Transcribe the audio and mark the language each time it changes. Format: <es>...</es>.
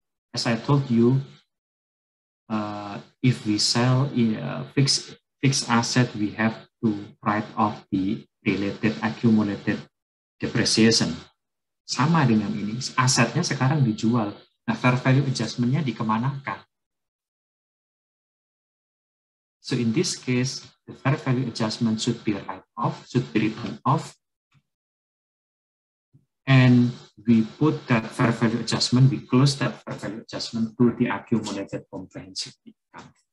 <en>As I told you, if we sell fixed asset, we have to write off the related accumulated depreciation.</en> <id>Sama dengan ini, asetnya sekarang dijual. Nah, fair value adjustment-nya dikemanakan?</id> <en>So in this case, the fair value adjustment should be written off, and we put that fair value adjustment, we close that fair value adjustment to the accumulated comprehensive income.</en>